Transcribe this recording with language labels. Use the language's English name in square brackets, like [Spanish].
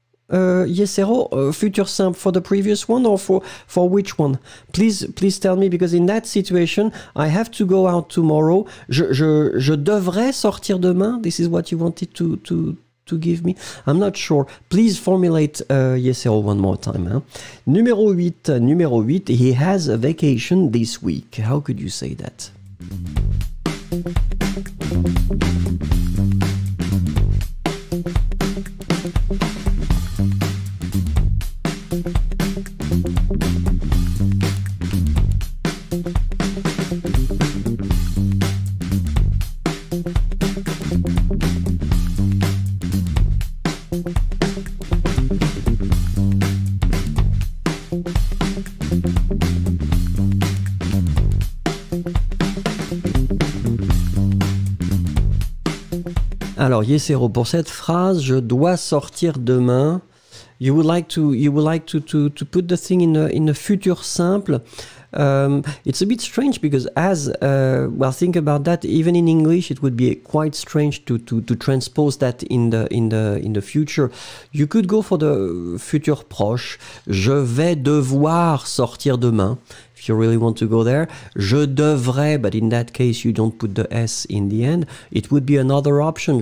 [English] Yesero, future simple for the previous one or for which one? Please tell me, because in that situation, I have to go out tomorrow. [French] Je devrais sortir demain. [English] This is what you wanted to give me. I'm not sure. Please formulate Yesero one more time. [French] Hein? Numéro 8, [English] he has a vacation this week. How could you say that? [French] Alors, Yesero, pour cette phrase, je dois sortir demain. [English] You would like to put the thing in a future simple. It's a bit strange because think about that. Even in English, it would be quite strange to transpose that in the future. You could go for the future proche. [French] Je vais devoir sortir demain. [English] If you really want to go there, [French] je devrais. [English] But in that case, you don't put the S in the end. It would be another option.